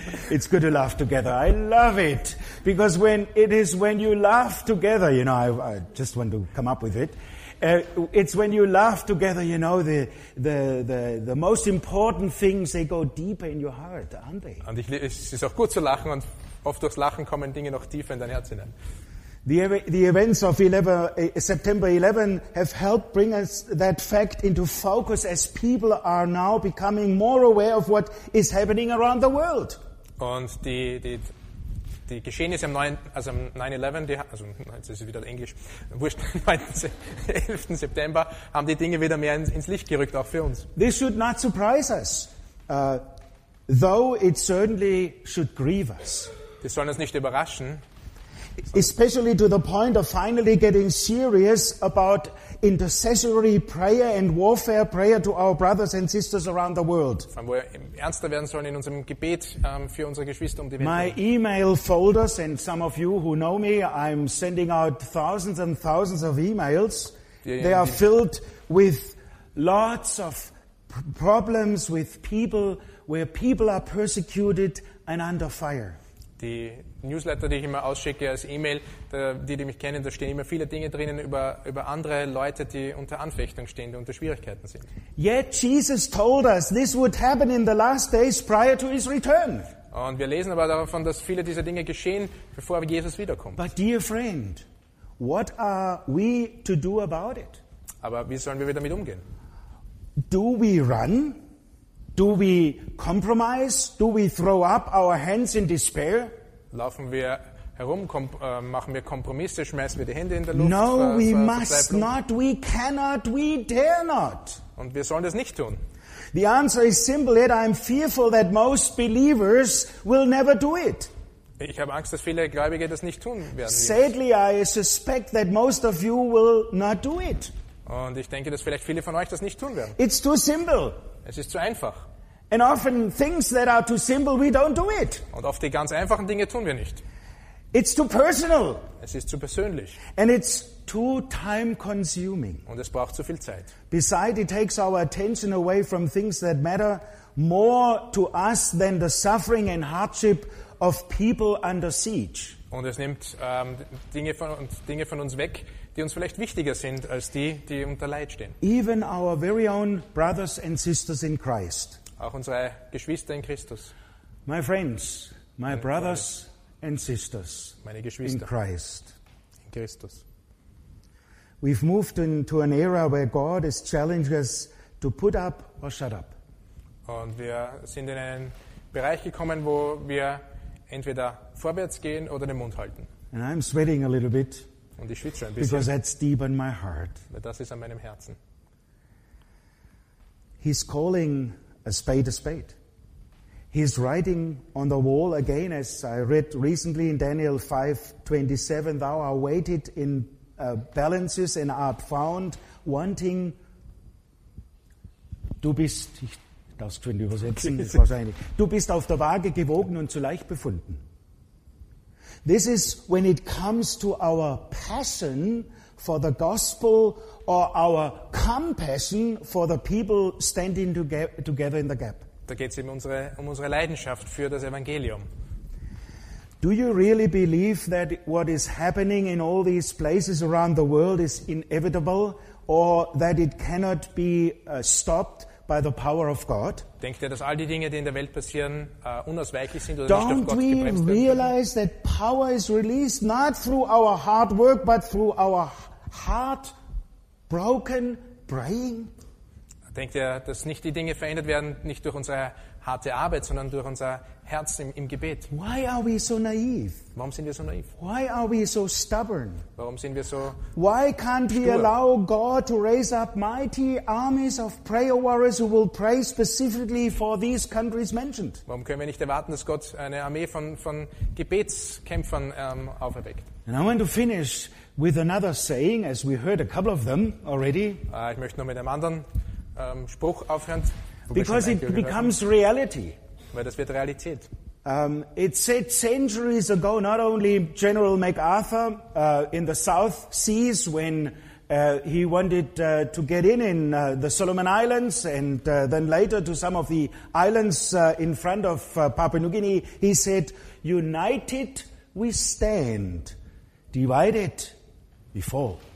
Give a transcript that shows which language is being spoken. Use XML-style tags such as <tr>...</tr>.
<en>It's good to laugh together. I love it. Because when you laugh together, you know, I just want to come up with it. It's when you laugh together, you know, the most important things, they go deeper in your heart, aren't they?</en> <de>Und es ist auch gut zu lachen, und oft durchs Lachen kommen Dinge noch tiefer in dein Herz hinein.</de> <en>The events of September 11 have helped bring us that fact into focus as people are now becoming more aware of what is happening around the world.</en> <de>Und die Geschehnisse am 9/11, jetzt ist es wieder Englisch, wurscht, am 11. September haben die Dinge wieder mehr ins Licht gerückt, auch für uns.</de> <en>This should not surprise us, though it certainly should grieve us.</en> <de>Das soll uns nicht überraschen.</de> <en>Especially to the point of finally getting serious about intercessory prayer and warfare prayer to our brothers and sisters around the world.</en> <de>Ernster werden sollen in unserem Gebet für unsere Geschwister um die Welt.</de> <en>My email folders, and some of you who know me, I'm sending out thousands and thousands of emails. They are filled with lots of problems with people, where people are persecuted and under fire.</en> <de>Die Newsletter, die ich immer ausschicke als E-Mail, die mich kennen, da stehen immer viele Dinge drinnen über andere Leute, die unter Anfechtung stehen, die unter Schwierigkeiten sind.</de> <en>Yet Jesus told us this would happen in the last days prior to his return.</en> <de>Und wir lesen aber davon, dass viele dieser Dinge geschehen, bevor Jesus wiederkommt.</de> <en>But dear friend, what are we to do about it?</en> <de>Aber wie sollen wir damit umgehen?</de> <en>Do we run? Do we compromise? Do we throw up our hands in despair?</en> <de>Laufen wir herum, machen wir Kompromisse, schmeißen wir die Hände in der Luft?</de> <en>No, we must not, we cannot, we dare not.</en> <de>Und wir sollen das nicht tun.</de> <en>The answer is simple, yet I'm fearful that most believers will never do it.</en> <de>Ich habe Angst, dass viele Gläubige das nicht tun werden.</de> <en>Sadly, I suspect that most of you will not do it.</en> <de>Und ich denke, dass vielleicht viele von euch das nicht tun werden.</de> <en>It's too simple.</en> <de>Es ist zu einfach.</de> <en>And often things that are too simple, we don't do it.</en> <de>Und oft die ganz einfachen Dinge tun wir nicht.</de> <en>It's too personal.</en> <de>Es ist zu persönlich.</de> <en>And it's too time consuming.</en> <de>Und es braucht zu viel Zeit.</de> <en>Besides, it takes our attention away from things that matter more to us than the suffering and hardship of people under siege.</en> <de>Und es nimmt Dinge von uns weg, die uns vielleicht wichtiger sind als die unter Leid stehen.</de> <en>Even our very own brothers and sisters in Christ.</en> <de>Auch unsere Geschwister in Christus.</de> <en>My friends, my brothers and sisters.</en> <de>Meine Geschwister.</de> <en>In Christ.</en> <de>In Christus.</de> <en>We've moved into an era where God is challenging us to put up or shut up.</en> <de>Und wir sind in einen Bereich gekommen, wo wir entweder vorwärts gehen oder den Mund halten.</de> <en>And I'm sweating a little bit.</en> <de>Und ich schwitze ein bisschen.</de> <en>Because that's deep in my heart.</en> <de>Das ist an meinem Herzen.</de> <en>He's calling a spade a spade. He's writing on the wall again, as I read recently in Daniel 5:27, thou art waited in balances in our found wanting.</en> <de>Du bist, ich darf es schon übersetzen, das war wahrscheinlich. Du bist auf der Waage gewogen und zu leicht befunden.</de> <en>This is when it comes to our passion for the gospel or our compassion for the people standing together in the gap.</en> <de>Da geht es eben unsere Leidenschaft für das Evangelium.</de> <en>Do you really believe that what is happening in all these places around the world is inevitable or that it cannot be stopped by the power of God?</en> <de>Denkt ihr, dass all die Dinge, die in der Welt passieren, unausweichlich sind oder nicht auf Gott gebremst werden?</de> <en>Don't we realize that power is released not through our hard work but through our heart broken praying?</en> <de>Denkt ihr, dass nicht die Dinge verändert werden, nicht durch unsere harte Arbeit, sondern durch unser Herz im Gebet?</de> <en>Why are we so naive?</en> <de>Warum sind wir so naiv?</de> <en>Why are we so stubborn?</en> <de>Warum sind wir so</de> <en>Why can't</en> <de>stur?</de> <en>We allow God to raise up mighty armies of prayer warriors who will pray specifically for these countries mentioned?</en> <de>Warum können wir nicht erwarten, dass Gott eine Armee von Gebetskämpfern auferweckt?</de> <en>And I want to finish with another saying, as we heard a couple of them already.</en> <de>Ich möchte noch mit einem anderen Spruch aufhören.</de> <en>Because it becomes reality.</en> <de>Weil das wird Realität.</de> <en>It said centuries ago, not only General MacArthur in the South Seas when he wanted to get in the Solomon Islands and then later to some of the islands in front of Papua New Guinea, he said, "United we stand, divided we fall."</en>